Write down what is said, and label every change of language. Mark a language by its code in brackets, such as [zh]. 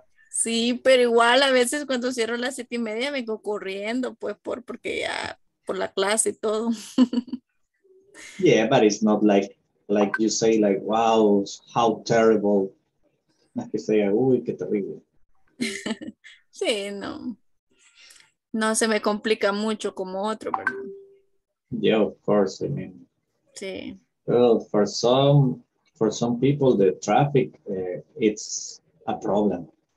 [es] Sí, pero igual a veces cuando cierro las 7:30 vengo corriendo, pues porque ya por la clase y todo. [en] Yeah, but it's not like you say, like, wow, how terrible. [es] Que sea, uy, qué terrible. Sí, no. No se me complica mucho como otro, ¿verdad? [en] Yeah, of course, I mean. [es] Sí. [en] Well, for some people, the traffic, it's a problem.